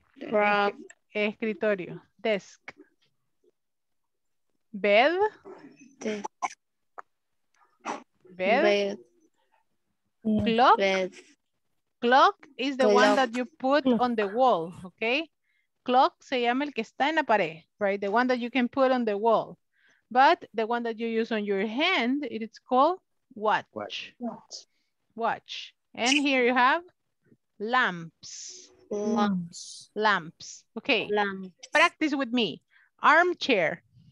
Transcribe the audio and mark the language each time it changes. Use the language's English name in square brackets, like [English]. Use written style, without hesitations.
[English] Rug. Escritorio. Desk. Bed. Desk. Bed. Bed. Clock. Bed. Clock is the one that you put on the wall, okay? [Spanish] Clock se llama el que está en la pared, [English] right? The one that you can put on the wall. But the one that you use on your hand, it's called watch. Watch. Watch. And here you have lamps. Lamps. Lamps. Okay. Lamps. Practice with me. Armchair.